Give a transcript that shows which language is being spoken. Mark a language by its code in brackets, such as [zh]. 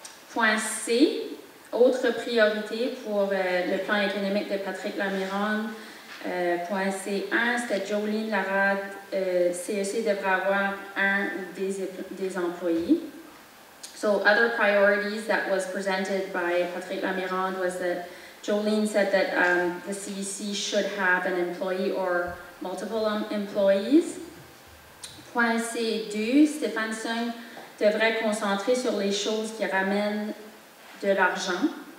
[fr] Point C, autre priorité pour le plan économique de Patrick Lamirande, Point C1, c'était Jolene Larade, CEC devrait avoir un ou des employés. [en] So other priorities that was presented by Patrick Lamirande was that Jolene said that the CEC should have an employee or multiple employees. [fr] Point C2, Stephenson devrait concentrer sur les choses qui ramènent de l'argent.